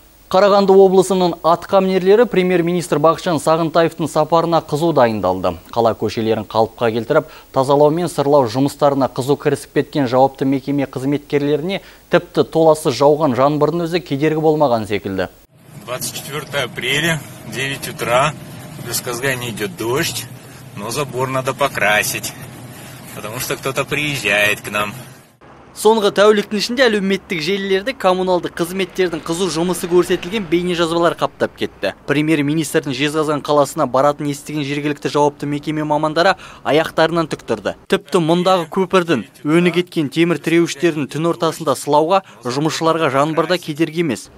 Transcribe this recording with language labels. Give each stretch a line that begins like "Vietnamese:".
Kazakh: Қарағанды облысының атқамінерлері премьер-министр Бақытжан Сағынтаевтың сапарына қызу дайындалды. Қала көшелерін қалыпқа келтіріп, тазалау мен сырлау жұмыстарына қызу кірісіп кеткен жауапты мекеме қызметкерлеріне тіпті толасы жауған жаңбырдың өзі кедергі болмаған секілді.
Russian: 24 апреля, 9 утра, в Казгане идет дождь, Но забор надо покрасить, потому что кто-то приезжает к нам.
Kazakh: Соңғы тәуліктің ішінде әлеуметтік желілерді коммуналдық қызметтердің қызу жұмысы көрсетілген бейне жазбалар қаптап кетті. Премьер-министрдің Жезқазған қаласына баратын естіген жергілікті жауапты мекеме мамандары аяқтарынан тік тұрды. Тіпті мұндағы көпірдің өні кеткен темір тіреуіштердің түн ортасында сылауға жұмысшыларға жаңбырда кедергі емес.